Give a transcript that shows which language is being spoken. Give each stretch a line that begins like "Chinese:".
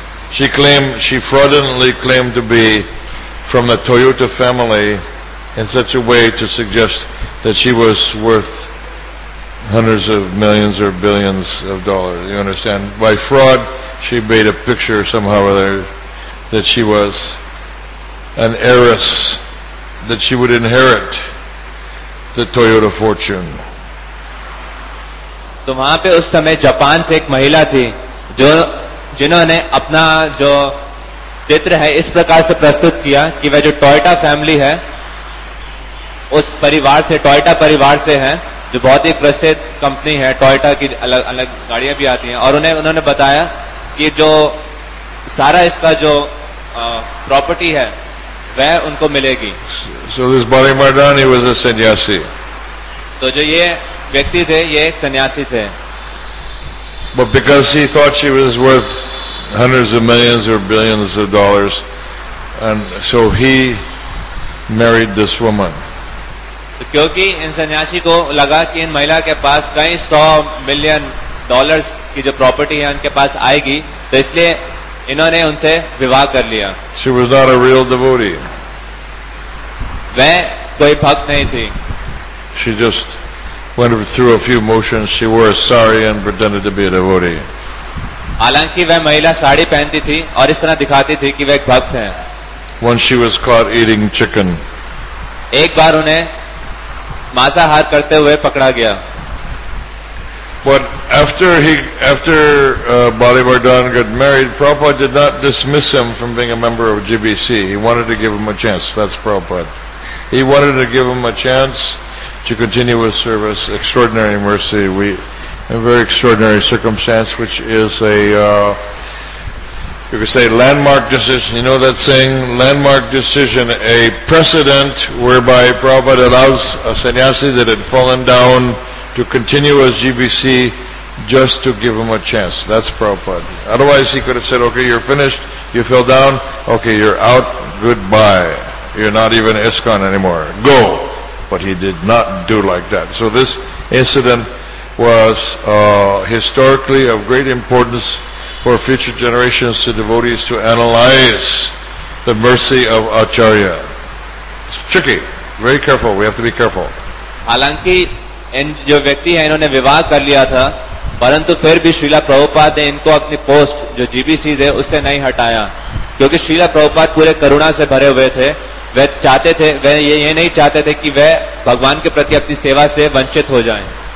English: She fraudulently claimed to be from the Toyota family in such a way to suggest that she was worth hundreds of millions or billions of dollars, you understand? By fraud, she made a picture somehow or other that she was an heiress, that she would inherit the Toyota fortune.
Hindi: तो वहां पे उस समय Japan से एक महिला थी जो जिन्होंने अपना जो चित्र है इस प्रकार से प्रस्तुत किया कि वह जो टोयोटा फैमिली है उस परिवार से टोयोटा परिवार से है जो बहुत ही प्रसिद्ध कंपनी है. टोयोटा की अलग अलग गाड़ियां भी आती हैं और उन्हें उन्होंने बताया कि जो सारा इसका जो प्रॉपर्टी है वह उनको मिलेगी.
English: So this Bali Mardan, he was a sannyasi.
Hindi: तो जो ये व्यक्ति थे ये एक सन्यासी थे.
English: But because he thought she was worth hundreds of millions or billions of dollars, and so he married this woman.
Hindi: तो क्योंकि इन सन्यासी को लगा कि इन महिला के पास कई सौ मिलियन डॉलर्स की जो प्रॉपर्टी है उनके पास आएगी तो इसलिए इन्होंने उनसे विवाह कर लिया.
English: She was not a real devotee.
Hindi: वह कोई भक्त नहीं थी.
English: She just went through a few motions. She wore a sari and pretended to be a devotee.
Hindi: हालांकि वह महिला साड़ी पहनती थी और इस तरह दिखाती थी कि वह एक भक्त है.
English: Once she was caught eating chicken.
Hindi: एक बार उन्हें मांसाहार करते हुए पकड़ा गया.
English: But after Bali Mardan got married, Prabhupada did not dismiss him from being a member of GBC. He wanted to give him a chance. That's Prabhupada. He wanted to give him a chance to continue with service. Extraordinary mercy. We in a very extraordinary circumstance, which is a you could say landmark decision. You know that saying, landmark decision, a precedent whereby Prabhupada allows a sannyasi that had fallen down to continue as GBC just to give him a chance. That's Prabhupada. Otherwise he could have said, okay, you're finished, you fell down, okay, you're out, goodbye, you're not even ISKCON anymore, go. But he did not do like that. So this incident was historically of great importance for future generations of devotees to analyze the mercy of Acharya. It's tricky. Very careful. We have to be careful.
Hindi: हालांकि जो व्यक्ति है इन्होंने विवाह कर लिया था परंतु फिर भी श्रीला प्रभुपाद ने इनको अपनी पोस्ट जो जीबीसी थे उससे नहीं हटाया क्योंकि श्रीला प्रभुपाद पूरे करुणा से भरे हुए थे. वे चाहते थे वे ये नहीं चाहते थे कि वे भगवान के प्रति अपनी सेवा से वंचित हो जाएं.